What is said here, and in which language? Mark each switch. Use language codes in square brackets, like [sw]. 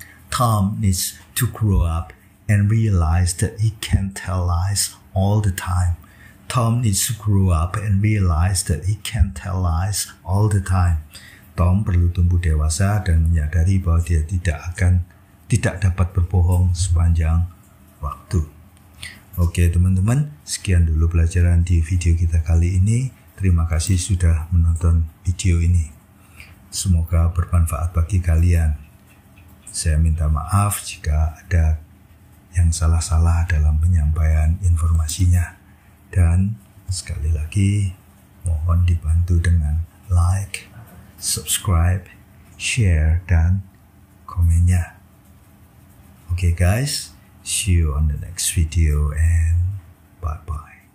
[en] Tom needs to grow up and realize that he can't tell lies all the time. Tom needs to grow up and realize that he can't tell lies all the time. [id] Tom perlu tumbuh dewasa dan menyadari bahwa dia tidak dapat berbohong sepanjang waktu. Oke, teman-teman, sekian dulu pelajaran di video kita kali ini. Terima kasih sudah menonton video ini. Semoga bermanfaat bagi kalian. Saya minta maaf jika ada yang salah-salah dalam penyampaian informasinya. Dan sekali lagi, mohon dibantu dengan like, subscribe, share, dan komennya. [en] Okay guys, see you on the next video and bye-bye.